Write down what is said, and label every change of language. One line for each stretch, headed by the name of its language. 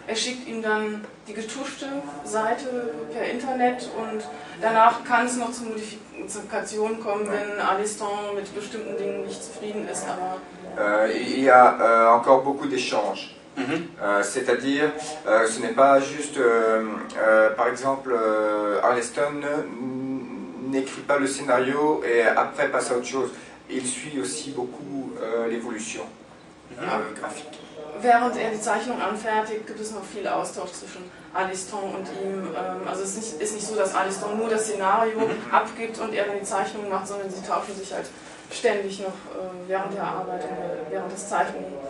German: Er schickt ihm dann die getuschte Seite per Internet und danach kann es noch zu Modifikationen kommen, ouais. Wenn Alistair mit bestimmten Dingen nicht zufrieden ist. Aber
French: il y a encore beaucoup d'échanges. Mm-hmm. C'est-à-dire, ce n'est pas juste, par exemple, Arleston n'écrit pas le scénario et après passe à autre chose. Il suit aussi beaucoup l'évolution graphique.
German: Während er die Zeichnung anfertigt, gibt es noch viel Austausch zwischen Arleston und ihm. Also es ist nicht so, dass Arleston nur das Szenario mm-hmm. abgibt und er dann die Zeichnung macht, sondern sie tauschen sich halt ständig noch während der Arbeit und während des Zeichnens.